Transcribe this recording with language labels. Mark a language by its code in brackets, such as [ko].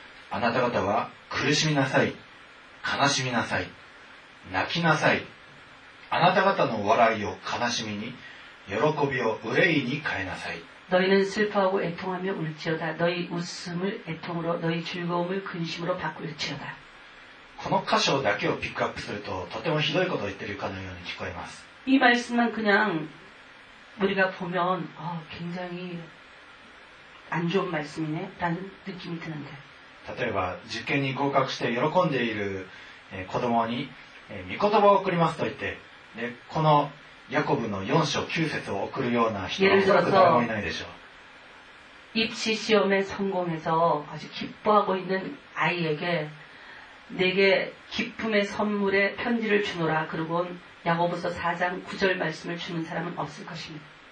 [ja] あなた方は苦しみなさい悲しみなさい泣きなさい、あなた方の笑いを悲しみに喜びを憂いに変えなさい。 [ko] 너희는슬퍼하고애통하며울지어다너희웃음을애통으로너희즐거움을근심으로바꿀지어다 [ja] この箇所だけをピックアップするととてもひどいことを言ってるかのように聞こえます。 [ko] 이말씀만그냥우리가보면굉장히안좋은말씀이네라는느낌이드는데 [ja] 例えば受験に合格して喜んでいる子供に御言葉を送りますと言って、でこのヤコブの4章9節を送るような人は誰もいないでしょう。 [ko] 입시시험에성공해서아주기뻐하고있는아이에게내게기쁨의선물의편지를주노라그러고야고보서4장9절말씀을주는사람은없을것입니다